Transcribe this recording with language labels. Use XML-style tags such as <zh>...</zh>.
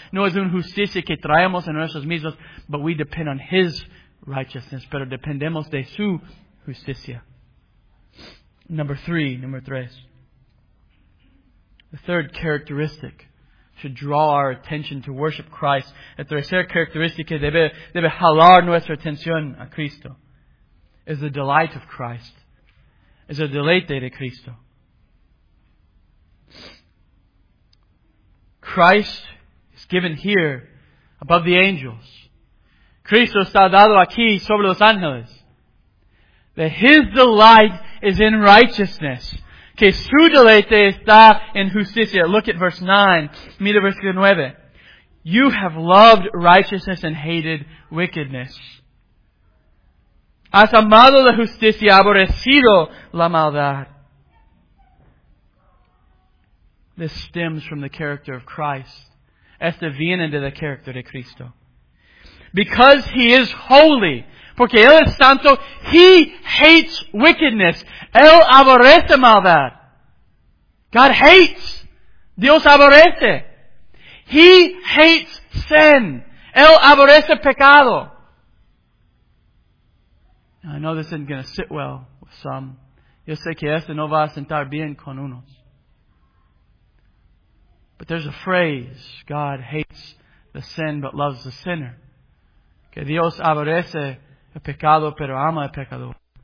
<es>No es una justicia que traemos en nosotros mismos,</es> <en>but we depend on His righteousness.</en> <es>Pero dependemos de su justicia. Number tres.</es> <en>The third characteristic should draw our attention to worship Christ.</en> <es>La tercera característica debe jalar nuestra atención a Cristo.</es> <en>Is the delight of Christ.</en> <es>es el deleite de Cristo.</es> <en>Christ is given here above the angels.</en> <es>Cristo está dado aquí sobre los ángeles.</es> <en>That His delight is in righteousness.</en> <es>Que su deleite está en justicia.</es> <en>Look at verse 9.</en> <es>Mira versículo 9.</es> <en>You have loved righteousness and hated wickedness.</en> <es>Has amado la justicia, aborrecido la maldad.</es> <en>This stems from the character of Christ.</en> <es>Este viene de la character de Cristo.</es> <en>Because He is holy.</en> <es>Porque Él es santo.</es> <en>He hates wickedness.</en> <es>Él aborrece maldad.</es> <en>God hates.</en> <es>Dios aborrece.</es> <en>He hates sin.</en> <es>Él aborrece pecado.</es> <en>I know this isn't going to sit well with some.</en> <es>Yo sé que este no va a sentar bien con unos.</es> <en>But there's a phrase, God hates the sin but loves the sinner.</en> <es>Que Dios aborrece el pecado pero ama el pecador.</es>